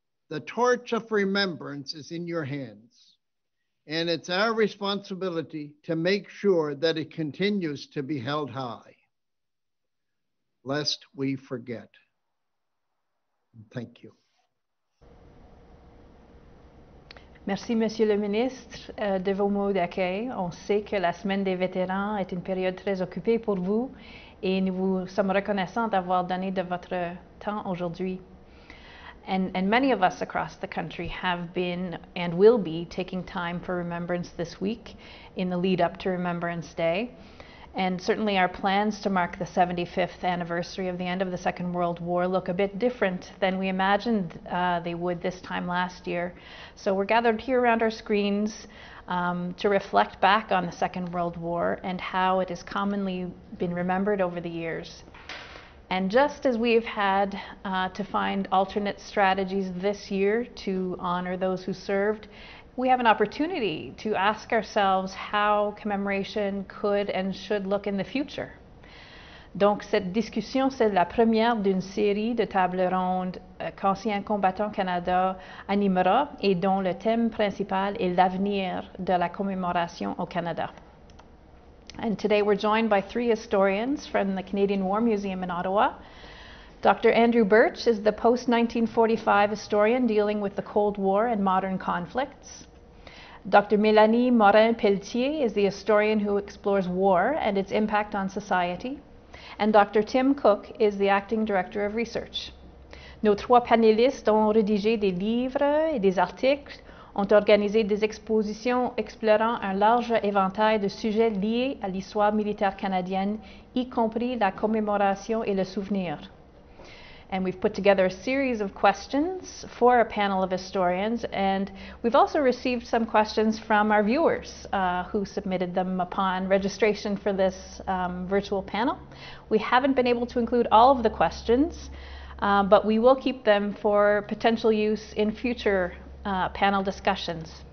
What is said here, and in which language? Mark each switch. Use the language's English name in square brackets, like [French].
[English] The torch of remembrance is in your hands, and it's our responsibility to make sure that it continues to be held high, lest we forget. Thank you. [French] Merci, Monsieur le Ministre, de vos mots d'accueil. On sait que la Semaine des Vétérans est une période très occupée pour vous et nous vous sommes reconnaissants d'avoir donné de votre temps aujourd'hui. [English] And many of us across the country have been and will be taking time for remembrance this week in the lead up to Remembrance Day. And certainly our plans to mark the 75th anniversary of the end of the Second World War look a bit different than we imagined they would this time last year. So we're gathered here around our screens to reflect back on the Second World War and how it has commonly been remembered over the years. And just as we've had to find alternate strategies this year to honor those who served, we have an opportunity to ask ourselves how commemoration could and should look in the future. [French] Donc, cette discussion, c'est la première d'une série de tables rondes qu'Ancien Combattant Canada animera et dont le thème principal est l'avenir de la commémoration au Canada. [English] And today we're joined by three historians from the Canadian War Museum in Ottawa. Dr. Andrew Burtch is the post-1945 historian dealing with the Cold War and modern conflicts. Dr. Mélanie Morin-Pelletier is the historian who explores war and its impact on society. And Dr. Tim Cook is the acting director of research. [French] Nos trois panélistes ont rédigé des livres et des articles, ont organisé des expositions explorant un large éventail de sujets liés à l'histoire militaire canadienne, y compris la commémoration et le souvenir. [English] And we've put together a series of questions for a panel of historians, and we've also received some questions from our viewers who submitted them upon registration for this virtual panel. We haven't been able to include all of the questions, but we will keep them for potential use in future panel discussions.